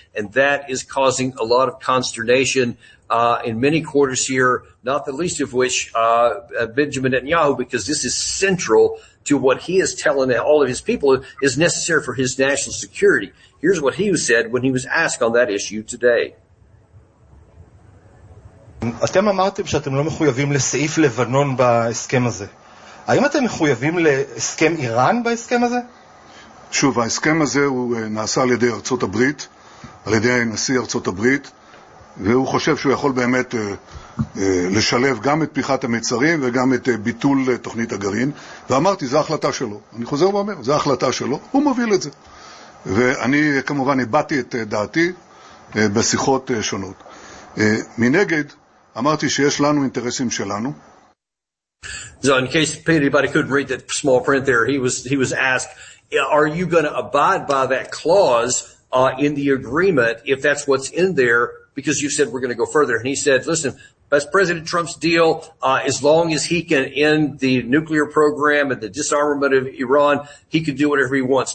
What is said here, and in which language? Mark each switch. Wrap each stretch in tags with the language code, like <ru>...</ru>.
<en>And that is causing a lot of consternation in many quarters here, not the least of which Benjamin Netanyahu, because this is central to what he is telling all of his people is necessary for his national security. Here's what he said when he was asked on that issue today.</en> <he>אתם אמרתם שאתם לא מחויבים לסעיף לבנון בהסכם הזה. האם אתם מחויבים להסכם איראן בהסכם הזה? שוב, ההסכם הזה הוא נעשה על ידי ארצות הברית, על ידי הנשיא ארצות הברית, והוא חושב שהוא יכול באמת לשלב גם את פיחת המצרים וגם את ביטול תוכנית הגרעין. ואמרתי, זו החלטה שלו. אני חוזר ואומר, זו החלטה שלו. הוא מוביל את זה. ואני כמובן הבאתי את דעתי בשיחות שונות. מנגד, אמרתי שיש לנו אינטרסים שלנו.</he> <en>So in case anybody couldn't read that small print there, he was asked, are you going to abide by that clause in the agreement if that's what's in there? Because you said we're going to go further. And he said, listen, that's President Trump's deal. As long as he can end the nuclear program and the disarmament of Iran, he can do whatever he wants.</en>